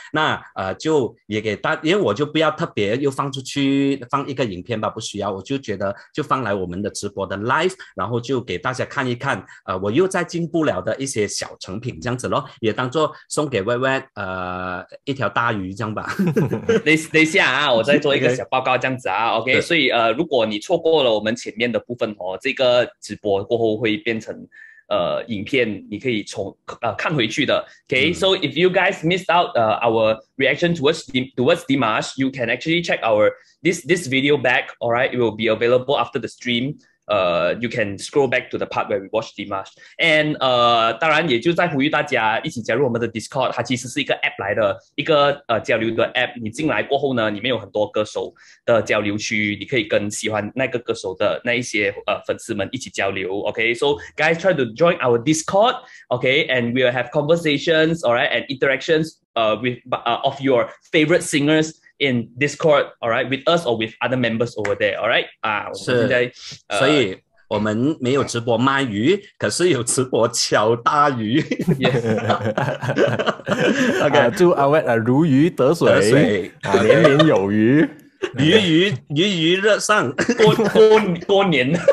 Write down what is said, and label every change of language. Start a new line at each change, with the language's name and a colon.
Chinese: 那就也给大家，因为我就不要特别又放出去放一个影片吧，不需要，我就觉得就放来我们的直播的 live， 然后就给大家看一看我又在进步了的一些小成品这样子咯，也当作送给薇薇一条大鱼这样吧。等一下啊，我再做一个小报告这样子啊。 OK， 所以如果你错过了我们前面的部分，这个直播过后会变成影片你可以从看回去的。
English: Okay, so if you guys missed out our reaction towards Dimash, you can actually check our this video back. All right, it will be available after the stream. You can scroll back to the part where we watch Dimash. And 当然也就在呼吁大家一起加入我们的 Discord， 它其实是一个 app 来的，一个交流的 app。你进来过后呢，里面有很多歌手的交流区，你可以跟喜欢那个歌手的那一些粉丝们一起交流。 Okay, so guys, try to join our Discord. Okay, and we'll have conversations, alright, and interactions of your favorite singers. In Discord, all right, with us or with other members over there, all right.
Chinese: 啊，我们现在，所以我们没有直播卖鱼，可是有直播敲大鱼。
English: Yes.
Chinese: Okay, 祝阿威如鱼得水，得水啊，年年有余，鱼热上，过年。